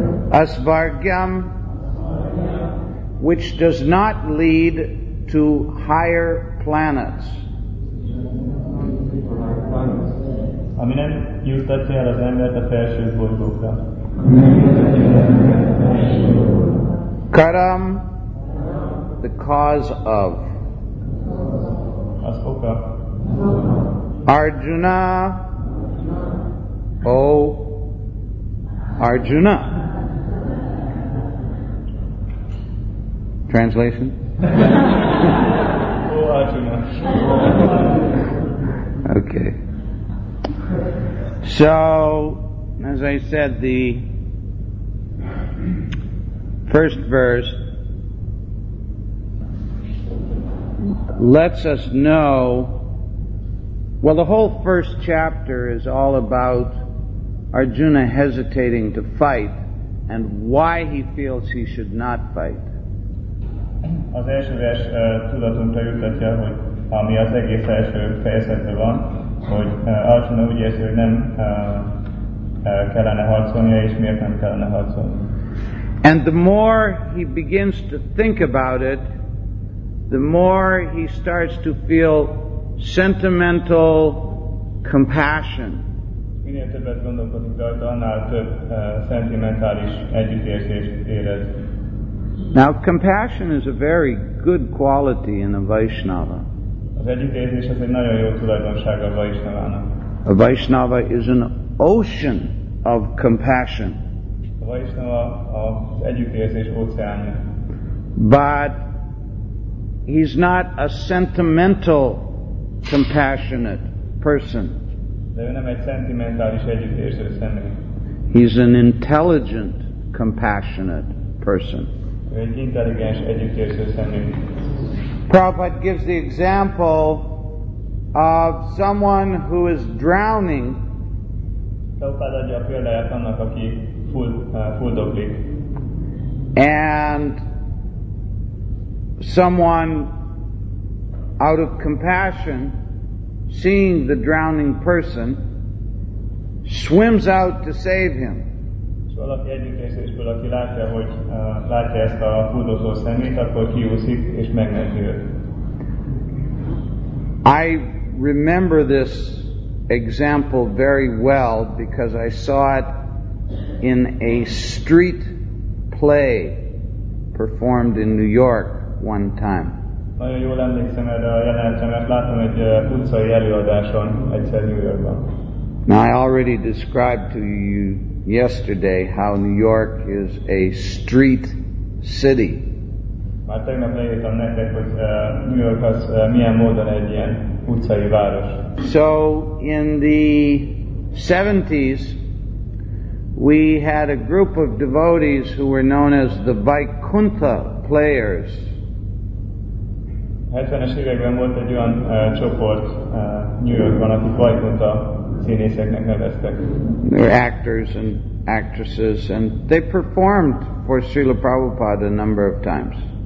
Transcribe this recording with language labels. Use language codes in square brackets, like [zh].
[en] Asvargyam, which does not lead to higher planets. [hu] Ami nem juttatja el az embert a felső bolygókra. [en] Karam, the cause of. [hu] Az oka. [en] Arjuna, O Arjuna. Translation? O Arjuna. Okay. So, as I said, the first verse lets us know, well, the whole first chapter is all about Arjuna hesitating to fight and why he feels he should not fight. [hu] Az első vers tudatunkra juttatja, hogy ami az egész első fejezetben van, hogy Arjuna úgy érzi, hogy nem kellene harcolnia, és miért nem kellene harcolnia. [en] And the more he begins to think about it, the more he starts to feel sentimental compassion. [hu] Minél többet gondolkodik rajta, annál több szentimentális együttérzés érez. [en] Now, compassion is a very good quality in a Vaishnava. [hu] Az együttérzés az egy nagyon jó tulajdonság a Vaishnavának. [en] A Vaishnava is an ocean of compassion. [hu] A Vaishnava az együttérzés óceánja. [en] But he's not a sentimental, compassionate person. [hu] De ő nem egy szentimentális együttérző személy. [en] He's an intelligent, compassionate person. [hu] Egy intelligens együttérző személy. [en] Prabhupada gives the example of someone who is drowning. [hu] Prabhupada adja a példáját annak, aki fuldoklik. [en] And someone out of compassion, seeing the drowning person, swims out to save him. [hu] Valaki együttérzésből, aki látja, hogy látja ezt a fuldozó szemét, akkor kiúszik és megmenti őt. [en] I remember this example very well because I saw it in a street play performed in New York one time. [hu] Nagyon jól emlékszem erre a jelenetre, mert láttam egy utcai előadáson egyszer New Yorkban. [en] Now I already described to you yesterday how New York is a street city. [hu] Már tegnap leírtam nektek, hogy New York az milyen módon egy ilyen utcai város. [en] So in the 70s we had a group of devotees who were known as the Vaikuntha players. [hu] 70-es években volt egy olyan csoport New Yorkban, akik Vaikuntha színészeknek neveztek. [en] They were actors and actresses, and they performed for Srila Prabhupada a number of times.